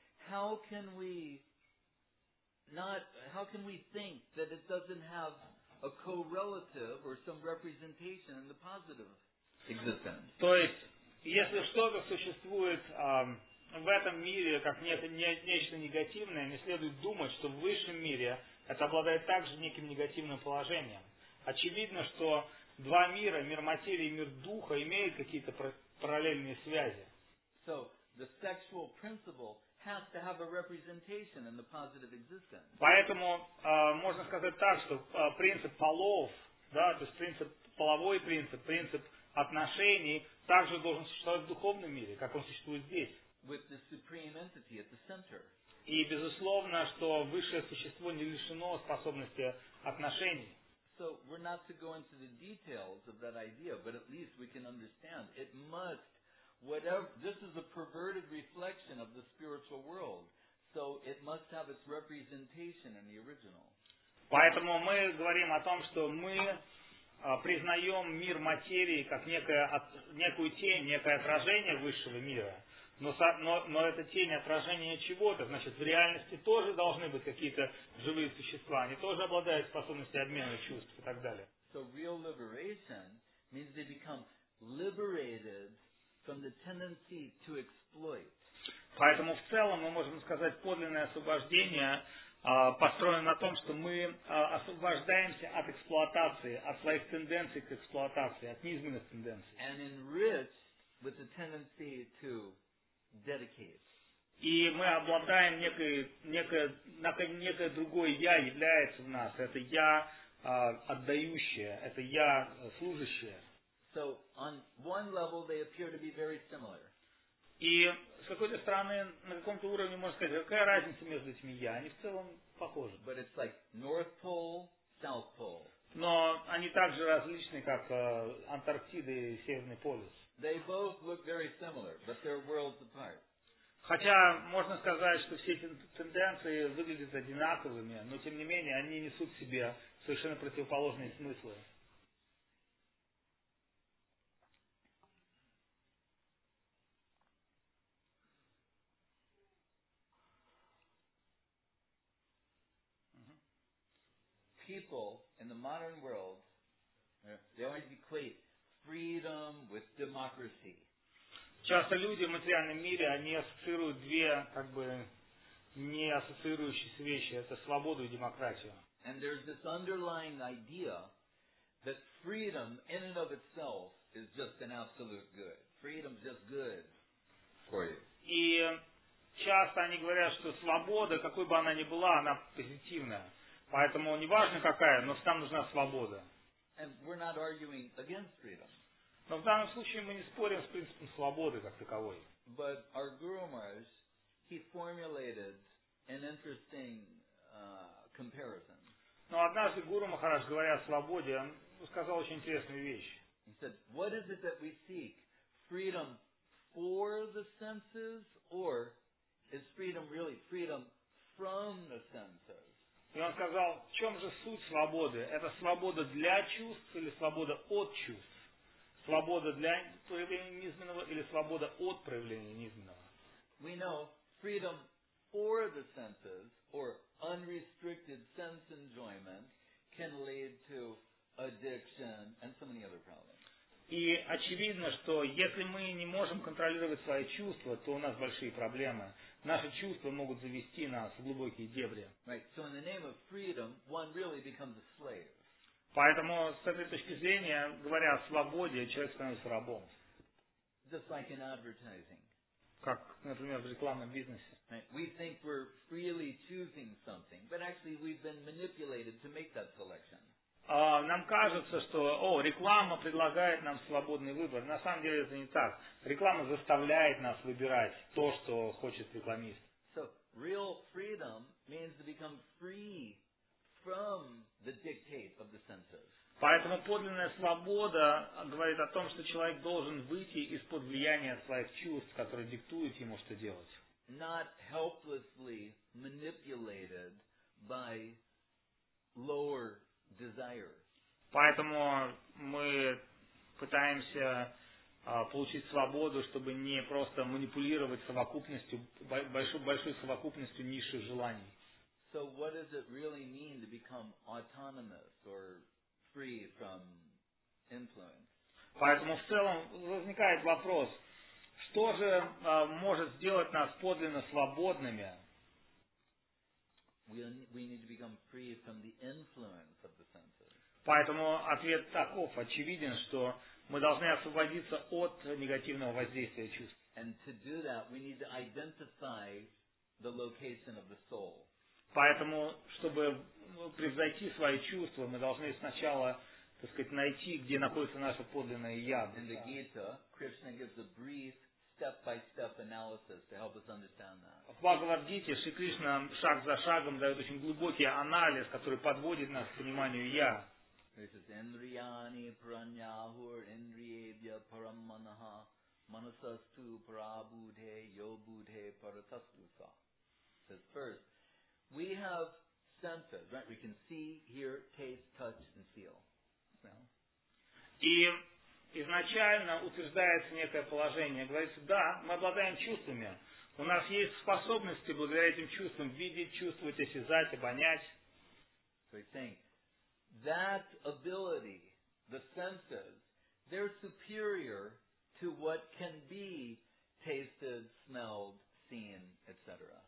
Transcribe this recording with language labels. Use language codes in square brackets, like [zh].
[en] How can we not, how can we think that it doesn't have a correlative or some representation in the positive existence? [ru] То есть, если что-то существует в этом мире как нечто негативное, не следует думать, что в высшем мире это обладает также неким негативным положением. Очевидно, что два мира, мир материи и мир духа, имеют какие-то параллельные связи. [en] So, the sexual principle has to have a representation in the positive existence. [ru] Поэтому можно сказать так, что принцип полов, да, то есть принцип половой принцип, принцип отношений также должен существовать в духовном мире, как он существует здесь. [en] With the supreme entity at the center. [ru] И безусловно, что высшее существо не лишено способности отношений. [en] So we're not to go into the details of that idea, but at least we can understand it must. Whatever, this is a perverted reflection of the spiritual world, so it must have its representation in the original. [ru] Поэтому мы говорим о том, что мы признаем мир материи как некую тень, некое отражение высшего мира. Но это тень отражения чего-то. Значит, в реальности тоже должны быть какие-то живые существа. Они тоже обладают способностью обмена чувств и так далее. [en] So real liberation means they become liberated from the tendency to exploit. [ru] Поэтому в целом мы можем сказать, подлинное освобождение построено на том, что мы освобождаемся от эксплуатации, от своих тенденций к эксплуатации, от низменных тенденций. [en] And enriched with the tendency to dedicate. [ru] И мы обладаем некое другое я является в нас. Это я отдающее, это я служащее. [en] So on one level they appear to be very similar. [ru] И с какой-то стороны на каком-то уровне можно сказать, какая разница между этими я? Они в целом похожи. [en] But it's like North Pole, South Pole. [ru] Но они также различны, как Антарктида и Северный полюс. [en] They both look very similar, but they're worlds apart. [ru] Хотя можно сказать, что все эти тенденции выглядят одинаковыми, но тем не менее они несут в себе совершенно противоположные смыслы. [en] People in the modern world, they always equate freedom with democracy. [ru] Часто люди в материальном мире, они ассоциируют две, как бы, не ассоциирующиеся вещи. Это свободу и демократию. [en] And there's this underlying idea that freedom in and of itself is just an absolute good. Freedom's just good for you. [ru] И часто они говорят, что свобода, какой бы она ни была, она позитивная. Поэтому неважно какая, но там нужна свобода. [en] And we're not arguing against freedom. [ru] Но в данном случае мы не спорим с принципом свободы как таковой. [en] But our Guru Maharaj, he formulated an interesting comparison. [ru] Но однажды Гуру Махарадж, говоря о свободе, он сказал очень интересную вещь. [en] He said, what is it that we seek? Freedom for the senses, or is freedom really freedom from the senses? [ru] И он сказал, в чем же суть свободы? Это свобода для чувств или свобода от чувств? Свобода для проявления низменного или свобода от проявления низменного? [en] We know freedom for the senses or unrestricted sense enjoyment can lead to addiction and so many other problems. [ru] И очевидно, что если мы не можем контролировать свои чувства, то у нас большие проблемы. Наши чувства могут завести нас в глубокие дебри. [en] Right. So in the name of freedom, one really becomes a slave. [ru] Поэтому, с этой точки зрения, говоря о свободе, человек становится рабом. [en] Just like in advertising. [ru] Как, например, в рекламном бизнесе. [en] Right. We think we're freely choosing something, but actually we've been manipulated to make that selection. [ru] Нам кажется, что реклама предлагает нам свободный выбор. На самом деле это не так. Реклама заставляет нас выбирать то, что хочет рекламист. [en] So, real freedom means to become free from the dictate of the senses. [ru] Поэтому подлинная свобода говорит о том, что человек должен выйти из-под влияния своих чувств, которые диктуют ему, что делать. [en] Not helplessly manipulated by lower desire. [ru] Поэтому мы пытаемся получить свободу, чтобы не просто манипулировать совокупностью, большой совокупностью низших желаний. [en] So what does it really mean to become autonomous or free from influence? [ru] Поэтому в целом возникает вопрос, что же может сделать нас подлинно свободными? [en] We need to become free from the influence of the senses. [ru] Поэтому ответ таков, очевиден, что мы должны освободиться от негативного воздействия чувств. [en] And to do that, we need to identify the location of the soul. [ru] Поэтому, чтобы превзойти свои чувства, мы должны сначала, так сказать, найти, где находится наше подлинное я. [en] In the Gita, Krishna gives a brief step-by-step analysis to help us understand that. [ru] В Бхагавад-гите Шри Кришна шаг за шагом дает очень глубокий анализ, который подводит нас к пониманию я. [en] This is [sa] Indriyani Pranyahur Indriyebhya Paramanaha Manasastu Prabhudhe Yobudhe Paratastusa. [en] It says first, we have senses, right? We can see, hear, taste, touch, and feel. [ru] И изначально утверждается некое положение. Говорится, да, мы обладаем чувствами. У нас есть способности благодаря этим чувствам видеть, чувствовать, осязать, обонять. [en] So he's saying, that ability, the senses, they're superior to what can be tasted, smelled, seen, etc.